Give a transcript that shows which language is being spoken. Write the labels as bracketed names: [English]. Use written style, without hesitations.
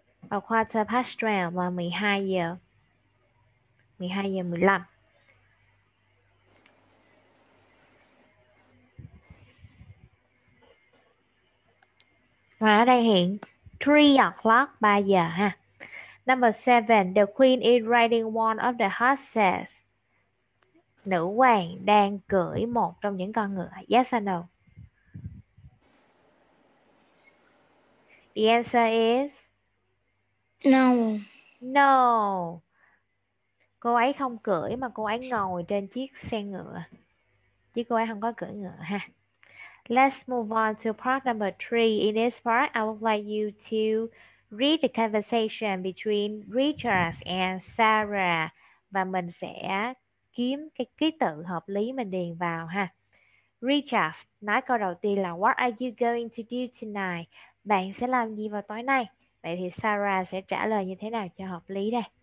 [English] A quarter past 12 [Vietnamese] là 12 giờ. 12 giờ 15. Và ở đây hiện [English] 3 o'clock, [Vietnamese] 3 giờ ha. [English] Number 7, the queen is riding one of the horses. [Vietnamese] Nữ hoàng đang cưỡi một trong những con ngựa. [English] Yes or no? The answer is no. No. [Vietnamese] Cô ấy không cưỡi mà cô ấy ngồi trên chiếc xe ngựa. Chứ cô ấy không có cưỡi ngựa ha. [English] Let's move on to part number 3. In this part, I would like you to read the conversation between Richard and Sarah. [Vietnamese] Và mình sẽ kiếm cái ký tự hợp lý mình điền vào ha. [English] Richard [Vietnamese] nói câu đầu tiên là [English] what are you going to do tonight? [Vietnamese] Bạn sẽ làm gì vào tối nay? Vậy thì Sarah sẽ trả lời như thế nào cho hợp lý đây?